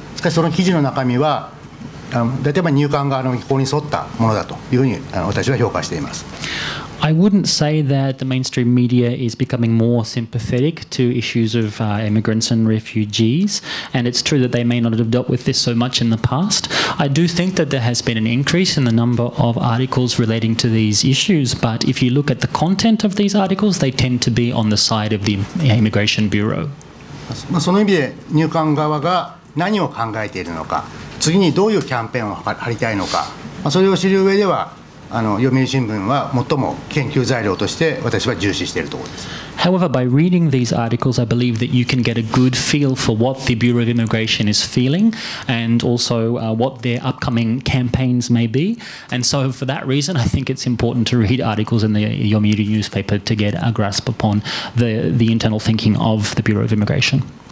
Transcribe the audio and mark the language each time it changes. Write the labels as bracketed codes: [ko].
[ja] しかしその記事の中身は、例えば入管側の意向に沿ったものだというふうに私は評価しています。 [en] I wouldn't say that the mainstream media is becoming more sympathetic to issues of immigrants and refugees, and it's true that they may not have dealt with this so much in the past. I do think that there has been an increase in the number of articles relating to these issues, but if you look at the content of these articles, they tend to be on the side of the Immigration Bureau. [ja] います。まあ、その意味で入管側が何を考えているのか、次にどういうキャンペーンを張りたいのか、まあ、それを知る上では読売新聞は最も研究材料として私は重視しているところです。 [en] However, by reading these articles, I believe that you can get a good feel for what the Bureau of Immigration is feeling and also what their upcoming campaigns may be. And so for that reason, I think it's important to read articles in the Yomiuri newspaper to get a grasp upon the internal thinking of the Bureau of Immigration.